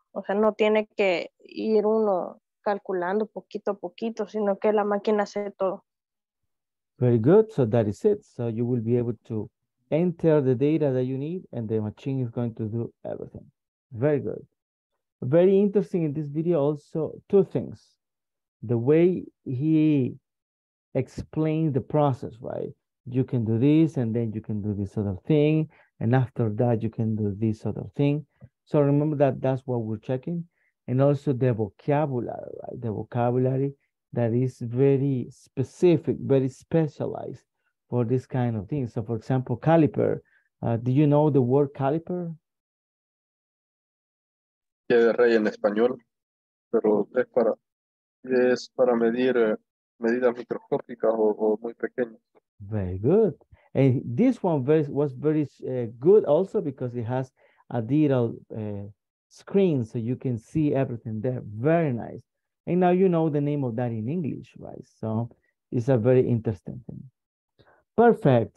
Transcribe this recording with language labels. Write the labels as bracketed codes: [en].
[es] O sea, no tiene que ir uno calculando poquito a poquito, sino que la máquina hace todo. [en] Very good. So that is it. So you will be able to enter the data that you need and the machine is going to do everything. Very good. Very interesting in this video also, two things. The way he explains the process, right? You can do this and then you can do this other thing. And after that, you can do this other thing. So remember that that's what we're checking. And also the vocabulary, right? The vocabulary that is very specific, very specialized for this kind of thing. So for example, caliper. Do you know the word caliper? [es] Pie de rey en español. Pero es para medir medidas microscópicas o muy pequeñas. [en] Very good. And this one was very good also because it has a digital screen, so you can see everything there. Very nice. And now you know the name of that in English, right? So it's a very interesting thing. Perfect.